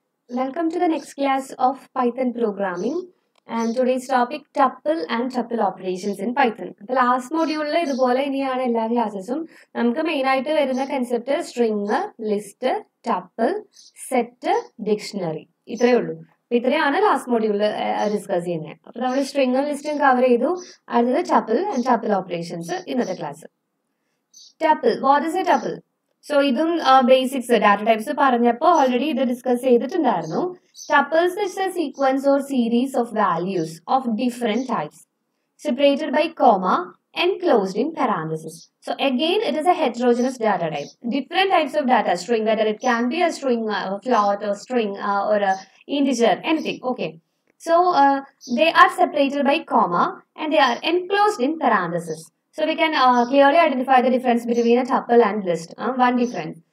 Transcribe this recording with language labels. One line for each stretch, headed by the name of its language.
English: Welcome to the next class of Python programming. And today's topic tuple and tuple operations in Python. The last module is the all classes. We main item concept string, list, tuple, set, dictionary.
Malayalam: ഇത്രയാണ് last module discuss ചെയ്യുന്നത്. അപ്പൊ നമ്മൾ സ്ട്രിംഗും ലിസ്റ്റും cover ചെയ്തു.
English: അടുത്തത് tuple and tuple operations
Malayalam: ഇന്നത്തെ class.
English: Tuple, what is a tuple?
Malayalam: So ഇതും basics data types പറഞ്ഞപ്പോൾ ഓൾറെഡി ഇത് ഡിസ്കസ് ചെയ്തിട്ടുണ്ടായിരുന്നു.
English: Tuples is a sequence or series of values of different types separated by comma enclosed in parentheses. So again, it is a heterogeneous data type. Different types of data, string, whether it can be a string, a float, or string, or a integer, anything. Okay. So they are separated by comma and they are enclosed in parentheses. So we can clearly identify the difference between a tuple and list. One difference.